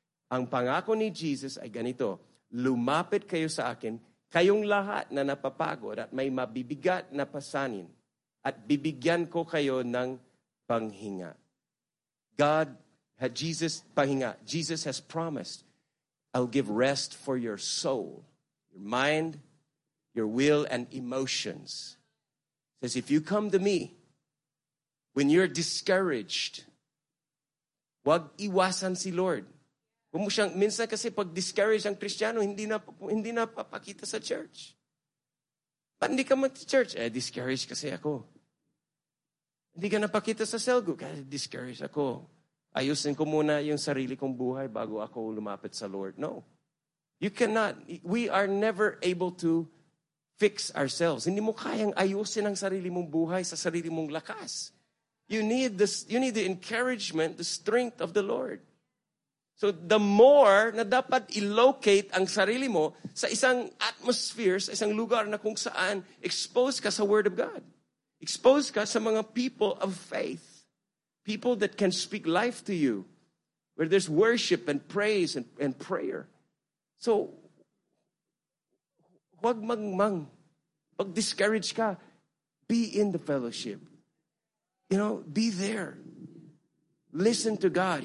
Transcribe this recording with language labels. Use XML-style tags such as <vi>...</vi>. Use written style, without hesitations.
<tl>Ang pangako ni Jesus ay ganito, lumapit kayo sa akin, kayong lahat na napapagod at may mabibigat na pasanin, at bibigyan ko kayo ng panghinga.</tl> <en>God, Jesus, panghinga, Jesus has promised, I'll give rest for your soul, your mind, your will, and emotions. Says, if you come to me, when you're discouraged,</en> <tl>wag iwasan si Lord. Kung mo siyang, minsan kasi pag discouraged ang Kristiyano, hindi na papakita sa church. Ba't hindi ka mag-church? Eh, discouraged kasi ako. Hindi ka napakita sa cell group? Kasi discouraged ako. Ayusin ko muna yung sarili kong buhay bago ako lumapit sa Lord.</tl> <en>No. You cannot. We are never able to fix ourselves.</en> <tl>Hindi mo kayang ayusin ang sarili mong buhay sa sarili mong lakas.</tl> <en>You need the encouragement, the strength of the Lord. So the more</en> <tl>na dapat i-locate ang sarili mo sa isang atmosphere, sa isang lugar na kung saan exposed ka sa</tl> <en>Word of God.</en> <tl>Exposed ka sa mga</tl> <en>people of faith. People that can speak life to you. Where there's worship and praise and prayer.</en> <tl>So, huwag magmang. Pag-discourage ka,</tl> <en>be in the fellowship. You know, be there. Listen to God.</en>